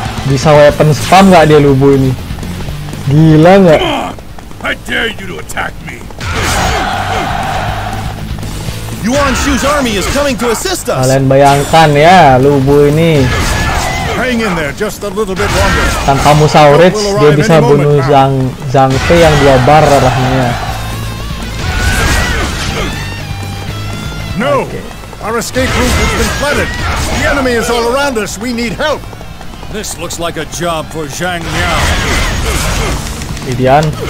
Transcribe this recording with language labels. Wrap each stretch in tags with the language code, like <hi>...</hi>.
<id>Bisa weapon spam nggak dia lubu ini? Gila nggak?</id> <en>I dare you to attack me. Yuan Shu's army is coming to assist us.</en> <id>Kalian bayangkan ya, lubu ini.</id> <en>Hang in there just a little bit longer.</en> <id>Tanpa Musaurich, dia bisa bunuh Zhang Zhang Fei yang dua bar darahnya.</id> <en>No. Our escape route has been flooded. The enemy is all around us. We need help. This looks like a job for Zhang Yao. Lidian.</en>